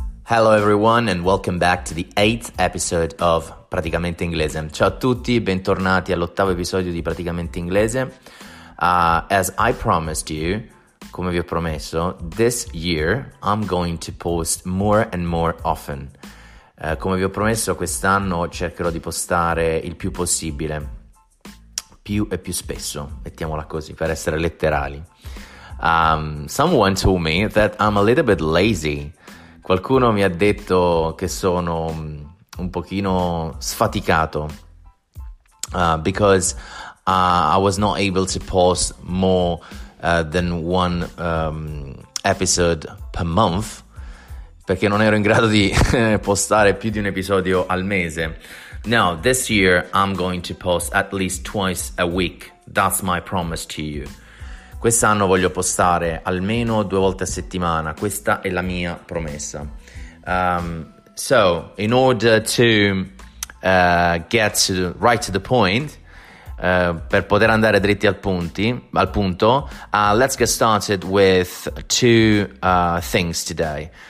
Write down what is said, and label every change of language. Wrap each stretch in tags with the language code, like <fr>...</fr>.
<en>Hello everyone and welcome back to the 8th episode of Praticamente Inglese.</en> <it>Ciao a tutti, bentornati all'ottavo episodio di Praticamente Inglese.</it> <en>As I promised you,</en> <it>come vi ho promesso,</it> <en>this year I'm going to post more and more often.</en> <it>Come vi ho promesso, quest'anno cercherò di postare il più possibile, più e più spesso, mettiamola così, per essere letterali.</it> <en>Someone told me that I'm a little bit lazy.</en> <it>Qualcuno mi ha detto che sono un pochino sfaticato</it> <en>because I was not able to post more than one episode per month,</en> <it>perché non ero in grado di postare più di un episodio al mese.</it> <en>Now, this year I'm going to post at least twice a week. That's my promise to you.</en> <it>Quest'anno voglio postare almeno due volte a settimana, questa è la mia promessa.</it> <en>So, in order to get to right to the point,</en> <it>per poter andare dritti al punto,</it> <en>let's get started with two things today.</en>